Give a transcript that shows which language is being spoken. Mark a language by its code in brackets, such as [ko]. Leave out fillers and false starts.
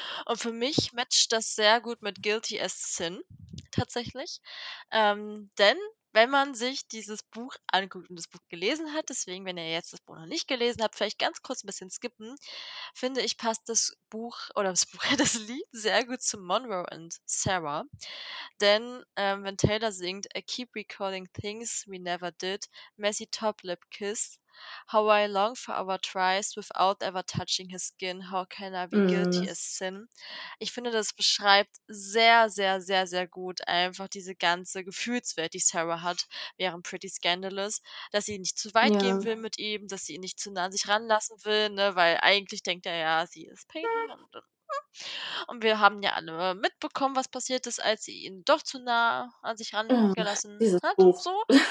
[de] Und für mich matcht das sehr gut mit Guilty as Sin, tatsächlich. Denn wenn man sich dieses Buch anguckt und das Buch gelesen hat, deswegen, wenn ihr jetzt das Buch noch nicht gelesen habt, vielleicht ganz kurz ein bisschen skippen, finde ich, passt das Lied sehr gut zu Monroe und Sarah. [en] Denn wenn Taylor singt, I keep recalling things we never did, messy top lip kiss, how I long for our tries without ever touching his skin, how can I be guilty as sin? [de] Ich finde, das beschreibt sehr, sehr, sehr, sehr gut einfach diese ganze Gefühlswelt, die Sarah hat, während Pretty Scandalous, dass sie nicht zu weit gehen will mit ihm, dass sie ihn nicht zu nah an sich ranlassen will, ne, weil eigentlich denkt er ja, sie ist Pain. Und wir haben ja alle mitbekommen, was passiert ist, als sie ihn doch zu nah an sich rangelassen hat und so.